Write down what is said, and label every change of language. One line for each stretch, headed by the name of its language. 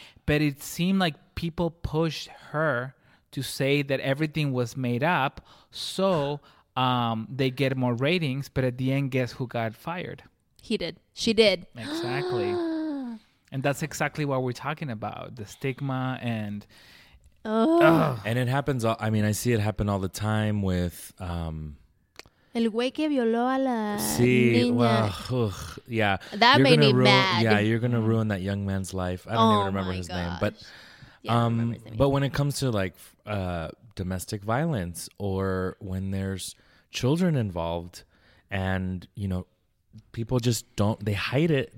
English: But it seemed like people pushed her to say that everything was made up so they get more ratings. But at the end, guess who got fired? He did. She did. Exactly. And that's exactly what we're talking about, the stigma and... And it happens. I mean, I see it happen all the time with...
Spanish: El güey que violó a la niña.
English: Yeah. That you're made me mad. Yeah, you're going to ruin that young man's life. I don't even remember his name. But when it comes to like domestic violence or when there's children involved and, you know, people just don't, they hide it.